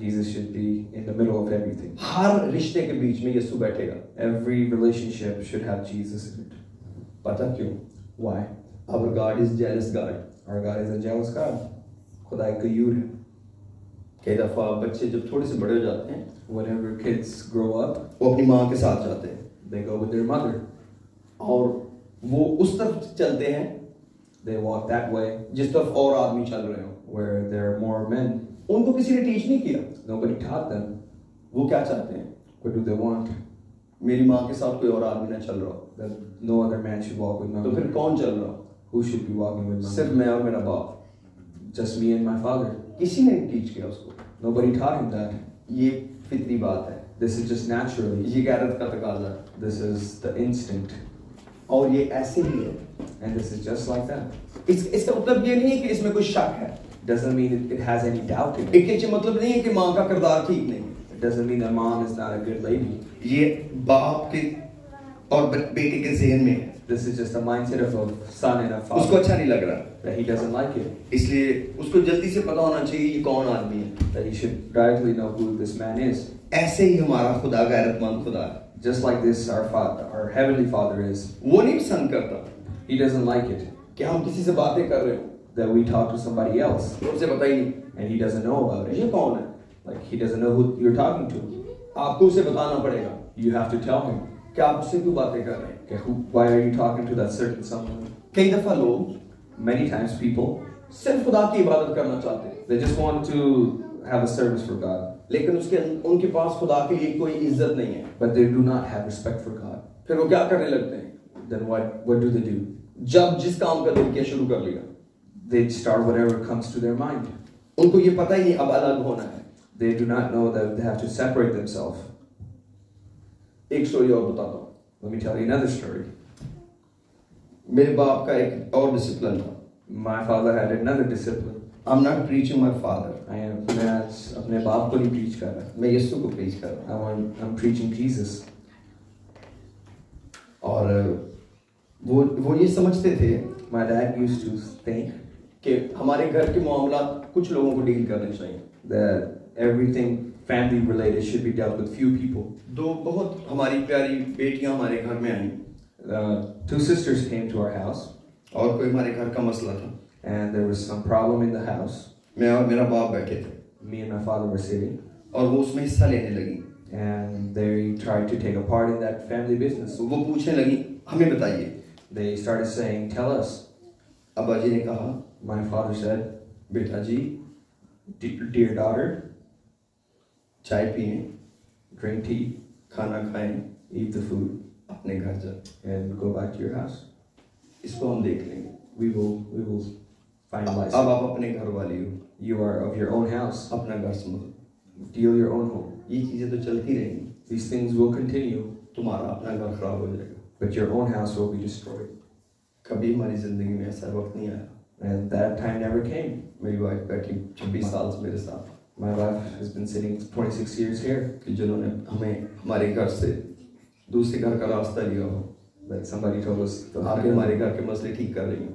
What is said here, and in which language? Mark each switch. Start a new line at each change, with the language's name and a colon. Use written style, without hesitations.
English: Jesus should be in the middle of everything.
Hindi: हर रिश्ते के बीच में यीशु बैठेगा.
English: Every relationship should have Jesus in it.
Hindi: पता क्यों?
English: Why? Our God is jealous God. Our God is a jealous God.
Hindi: खुदा एक कयूर है. कई दफा बच्चे जब थोड़े से बड़े हो जाते हैं,
English: Whenever kids grow up,
Hindi: वो अपनी माँ के साथ जाते हैं.
English: They go with their mother.
Hindi: और वो उस तरफ चलते हैं.
English: They walk that way.
Hindi: जिस तरफ और आदमी चल रहे हो.
English: Where there are more men.
Hindi: उनको किसी ने टीच नहीं किया.
English: Nobody taught them.
Hindi: वो क्या चाहते हैं?
English: What do they want?
Hindi: मेरी माँ के साथ कोई और आदमी ना चल रहा.
English: Then no other man should walk with me.
Hindi: तो फिर कौन चल रहा?
English: Who should be walking with me?
Hindi: सिर्फ मैं और मेरा बाप.
English: Just me and my father.
Hindi: किसी ने टीच किया उसको?
English: Nobody taught him that.
Hindi: ये फितरी बात है.
English: This is just naturally.
Hindi: ये गैरत का तकाजा.
English: This is the instinct.
Hindi: और ये ऐसे ही है.
English: And this is just like that.
Hindi: इसका मतलब ये नहीं है कि इसमें कोई शक है.
English: Doesn't mean it has any doubt in it.
Hindi: ये मतलब नहीं है कि माँ का किरदार ठीक नहीं.
English: It doesn't mean that mom is not a good lady.
Hindi: ये बाप के और बेटे के ज़हन में.
English: This is just a mindset of a son and a father.
Hindi: उसको अच्छा नहीं लग रहा.
English: That he doesn't like it.
Hindi: इसलिए उसको जल्दी से पता होना चाहिए ये कौन आदमी है.
English: That he should directly know who this man is.
Hindi: ऐसे ही हमारा खुदा गैरतमंद खुदा.
English: Just like this, our father, our heavenly father is.
Hindi: वो नहीं पसंद करता.
English: He doesn't like it.
Hindi: कि हम किसी से बातें कर रहे हैं.
English: That we talk to somebody else.
Hindi: उसे बताइए नहीं.
English: And he doesn't know about it.
Hindi: ये कौन है?
English: Like he doesn't know who you're talking to.
Hindi: आपको उसे बताना पड़ेगा.
English: You have to tell him.
Hindi: कि आप उसे क्यों बातें कर रहे हैं?
English: कि why are you talking to that certain someone?
Hindi: कई दफा लोग.
English: Many times people.
Hindi: सिर्फ खुदा की इबादत करना चाहते हैं.
English: They just want to have a service for God.
Hindi: लेकिन उसके उनके पास खुदा के लिए कोई इज्जत नहीं है.
English: But they do not have respect for God.
Hindi: फिर वो क्या करने लगते हैं?
English: Then what do they do?
Hindi: जब जिस काम का दिल किया शुरू कर लिया.
English: They start whatever comes to their mind.
Hindi: उनको ये पता ही नहीं अब अलग होना है.
English: They do not know that they have to separate themselves.
Hindi: एक स्टोरी और बताता हूँ.
English: Let me tell you another story.
Hindi: मेरे बाप का एक और डिसिप्लिन था.
English: My father had another discipline. I'm not preaching my father. I am.
Hindi: मैं अपने बाप को नहीं प्रीच कर रहा. मैं यीशु को प्रीच कर रहा.
English: I'm preaching Jesus.
Hindi: और वो ये समझते थे.
English: My dad used to think
Hindi: कि हमारे घर के मामलात कुछ लोगों को डील करने चाहिए.
English: That everything family related should be dealt with few people.
Hindi: दो बहुत हमारी प्यारी बेटियां हमारे घर में आईं.
English: Two sisters came to our house.
Hindi: और कोई हमारे घर का मसला था.
English: And there was some problem in the house.
Hindi: मैं और मेरा बाप बैठे थे.
English: Me and my father were sitting.
Hindi: और वो उसमें हिस्सा लेने लगी.
English: And they tried to take a part in that family business.
Hindi: वो पूछने लगी, हमें बताइए.
English: They started saying, "Tell us."
Hindi: अब्बा जी ने कहा.
English: My father said,
Hindi: "बेटा जी,
English: dear daughter,
Hindi: चाय पिएं,
English: drink tea,
Hindi: खाना खाएं,
English: eat the food,
Hindi: अपने घर जाएं,
English: and go back to your house."
Hindi: इसको हम देख लेंगे.
English: We will finalize.
Hindi: अब आप अपने घर वाली हो.
English: You are of your own house.
Hindi: अपना घर समझो.
English: Deal your own home.
Hindi: ये चीजें तो चलती रहेंगी.
English: These things will continue.
Hindi: तुम्हारा अपना घर खराब हो जाएगा.
English: But your own house will be destroyed.
Hindi: कभी हमारी ज़िंदगी में ऐसा वक्त नहीं आया.
English: And that time never came.
Hindi: मेरी वाइफ बैठी 26 साल से मेरे साथ.
English: My wife has been sitting 26 years here.
Hindi: कि जिन्होंने हमें हमारे घर से दूसरे घर का रास्ता दिया हो.
English: That somebody told us
Hindi: तो आप हमारे घर के मसले ठीक कर रही हो.